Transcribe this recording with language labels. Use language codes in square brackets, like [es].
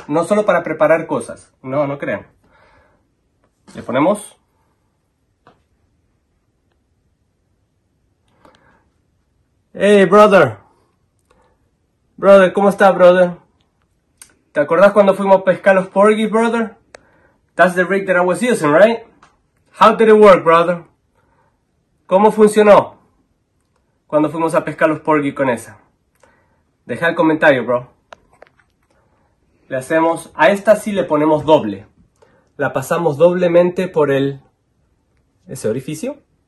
[es] No solo para preparar cosas. No, no crean. Le ponemos. [en] Hey, brother. Brother, [es] ¿cómo está, [en] brother? [es] ¿Te acordás cuando fuimos a pescar los porgy, brother? [en] That's the rig that I was using, right? How did it work, brother? [es] ¿Cómo funcionó cuando fuimos a pescar los porgy con esa? Deja el comentario, bro. Le hacemos, a esta sí le ponemos doble. La pasamos doblemente por ese orificio.